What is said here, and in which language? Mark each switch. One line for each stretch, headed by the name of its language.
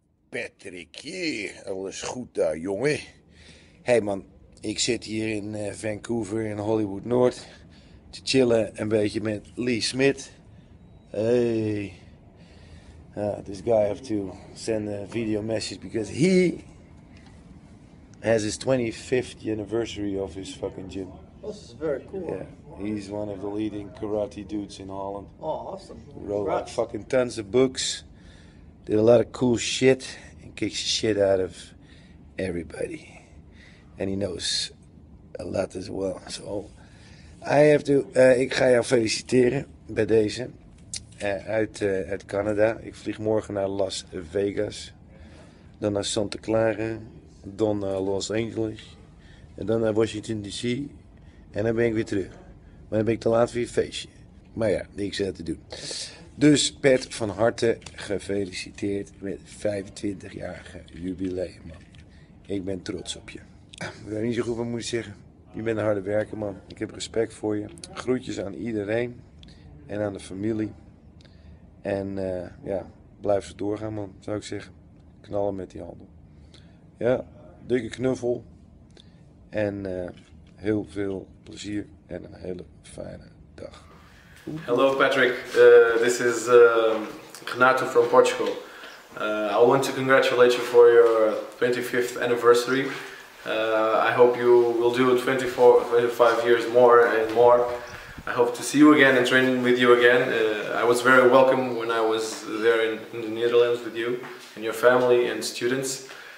Dutch: Patrick, alles goed daar, jongen. Hey man, ik zit hier in Vancouver in Hollywood Noord te chillen een beetje met Lee Smith.
English: Hey, this guy have to send a video message because he has his 25th anniversary of his fucking gym. This is very cool. Yeah, he's one of the leading karate dudes in Holland. Oh, awesome. Wrote like fucking tons of books, did a lot of cool shit. Kicks the shit out of everybody, and he knows a lot as well. So I have to.
Dutch: Ik ga jou feliciteren bij deze uit Canada. Ik vlieg morgen naar Las Vegas, dan naar Santa Clara, dan naar Los Angeles, en dan naar Washington D.C. En dan ben ik weer terug. Maar dan ben ik te laat voor je feestje. Maar ja, niks aan te doen. Dus Pat, van harte gefeliciteerd met 25-jarige jubileum, man. Ik ben trots op je. Ik weet niet zo goed wat ik moet zeggen. Je bent een harde werker, man. Ik heb respect voor je. Groetjes aan iedereen en aan de familie. En ja, blijf zo doorgaan, man, zou ik zeggen. Knallen met die handel. Ja, dikke knuffel. En heel veel plezier en een hele fijne dag.
English: Hello, Patrick. This is Renato from Portugal. I want to congratulate you for your 25th anniversary. I hope you will do 25 years more and more. I hope to see you again and train with you again. I was very welcome when I was there in the Netherlands with you and your family and students.